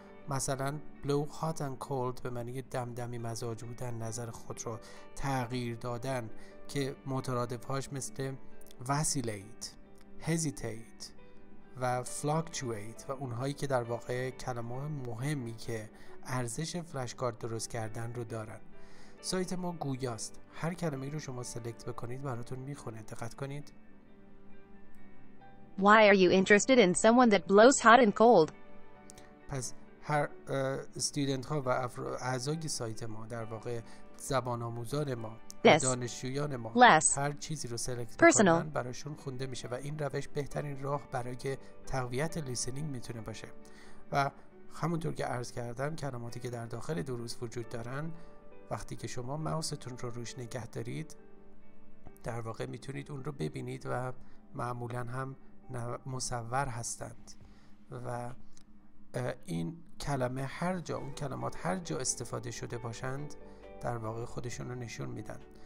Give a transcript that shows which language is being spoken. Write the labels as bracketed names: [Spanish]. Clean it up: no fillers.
[Persian] مثلا [English] blow hot and cold [Persian] به معنی دمدمی مزاج بودن، نظر خود رو تغییر دادن، که مترادفهاش مثل vacillate، hesitate و fluctuate و اونهایی که در واقع کلمه مهمی که ارزش فلشکارد درست کردن رو دارن. سایت ما گویاست، هر کلمه رو شما سلکت بکنید براتون میخونه. دقت کنید. [English] Why are you interested in someone that blows hot and cold? [Persian] پس هر استودنت ها و اعضای سایت ما، در واقع زبان آموزان ما، دانشجویان ما، هر چیزی رو سلکت کنن براشون خونده میشه و این روش بهترین راه برای تقویت لیسنینگ میتونه باشه. و همونطور که عرض کردم، کلماتی که در داخل دروس وجود دارن، وقتی که شما ماوستون رو روش نگه دارید، در واقع میتونید اون رو ببینید و معمولا هم مصور هستند و این کلمه هر جا، اون کلمات هر جا استفاده شده باشند، در واقع خودشون رو نشون میدن.